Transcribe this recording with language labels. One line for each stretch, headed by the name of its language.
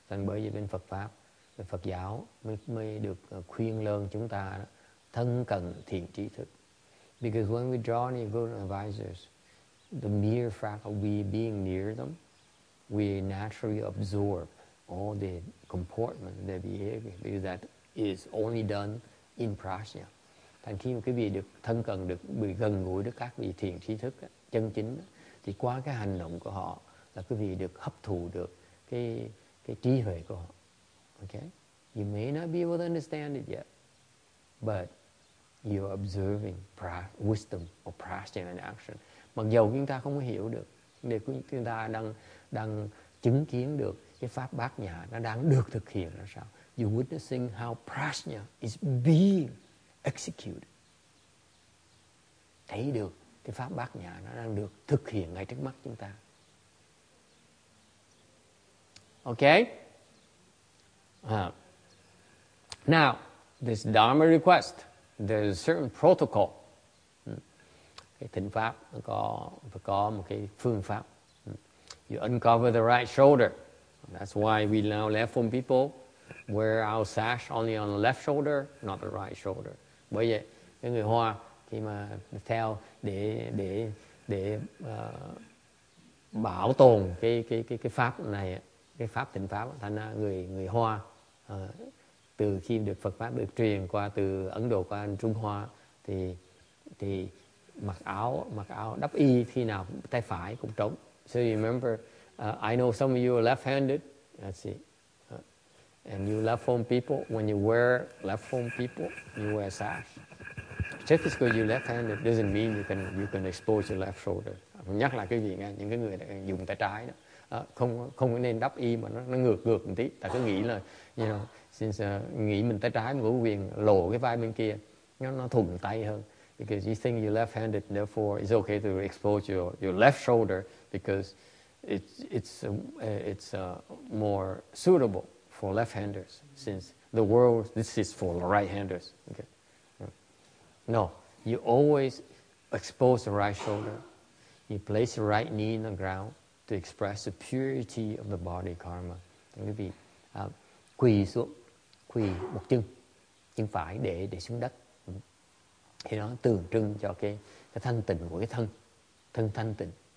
Vietnamese: Thành bởi vì bên Phật pháp, bên Phật giáo mới được khuyên lơn chúng ta thân cận thiện trí thức.
English: Because when we draw near guru advisors, the mere fact of we being near them, we naturally absorb all the comportment, their behavior, because that is only done in prajna.
Vietnamese: Thành khi mà quý vị được thân cận, được bị gần gũi được các vị thiện trí thức chân chính, thì qua cái hành động của họ là quý vị được hấp thụ được cái trí huệ của họ.
English: Okay? You may not be able to understand it yet, but you are observing wisdom or prajna in action.
Vietnamese: Mặc dù chúng ta không hiểu được, nhưng chúng ta đang chứng kiến được cái pháp bát nhã nó đang được thực hiện là sao.
English: You're witnessing how prajna is being executed.
Vietnamese: Thấy được cái pháp bát nhã nó đang được thực hiện ngay trước mắt chúng ta.
English: Okay. Now, this Dharma request, there is a certain protocol.
Vietnamese: Cái thỉnh pháp có một cái phương pháp.
English: You uncover the right shoulder. That's why we now left from people wear our sash only on the left shoulder, not the right shoulder.
Vietnamese: Bởi vậy, cái người Hoa khi mà theo để bảo tồn cái pháp này, cái pháp thỉnh pháp, thành ra người Hoa từ khi được Phật pháp được truyền qua từ Ấn Độ qua Trung Hoa thì mặc áo đắp y khi nào tay phải cũng trống.
English: So you remember, I know some of you are left-handed. Let's see. And you left home people, when you wear left home people, you wear sash. Just because you're left-handed doesn't mean you can expose your left shoulder.
Vietnamese: Nhắc lại quý vị nghe, những cái người dùng tay trái đó, không nên đắp y mà nó ngược một tí. Ta cứ nghĩ là,
English: you know, since
Vietnamese: nghĩ mình tay trái mà có quyền lộ cái vai bên kia, nó thuận tay hơn.
English: Because you think you're left-handed, therefore it's okay to expose your left shoulder because it's more suitable for left-handers, since the world, this is for right-handers. Okay. No, you always expose the right shoulder. You place the right knee in the ground to express the purity of the body karma.
Vietnamese: Quý vị quỳ xuống, quỳ một chân phải để xuống đất. Thì nó tượng trưng cho cái thanh tịnh của cái thân thanh tịnh.